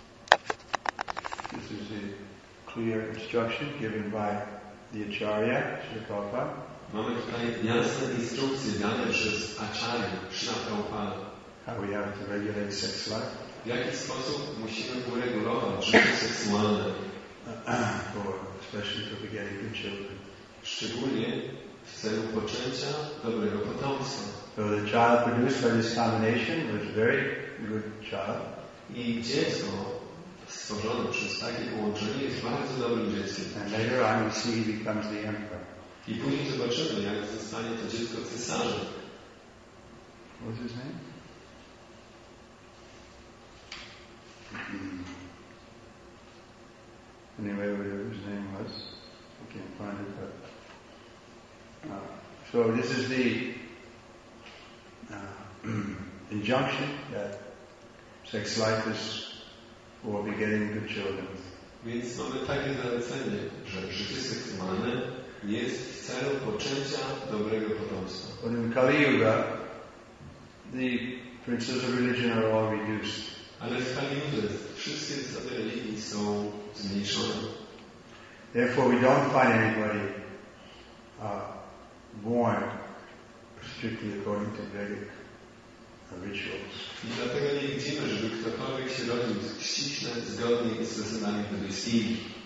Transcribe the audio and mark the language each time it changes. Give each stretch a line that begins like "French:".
English: this is a clear instruction given by the Acharya, Śrīla Prabhupāda.
Polish: Mamy tutaj jasne instrukcje dane przez Acharya, Śrīla Prabhupāda.
English: How we have to regulate sex life.
Polish: W jaki sposób musimy uregulować życie seksualne?
English: Especially for the getting good children.
Polish: Szczególnie w celu poczęcia dobrego potomstwa.
English: So the child produced by this combination was a very good child.
Polish: I dziecko stworzone przez takie połączenie jest bardzo dobrym dzieckiem.
English: And later on we see he becomes the emperor.
Polish: I później zobaczymy, jak zostanie to dziecko cesarzem.
English: What's his name? Anyway, whatever his name was, I can't find it. But so this is the injunction that sex life is for begetting good children.
Polish: Więc mamy takie zalecenie, że życie seksualne jest w celu poczęcia dobrego potomstwa.
English: But in Kali Yuga, the princes of religion are all reduced.
Polish: Ale w Kali Yuga wszystkie zasady religii są zmniejszone.
English: Therefore, we don't find anybody born strictly according to Vedic rituals.
Polish: I dlatego nie widzimy, żeby ktokolwiek się rodził ściśle zgodnie z zasadami buddyjskimi.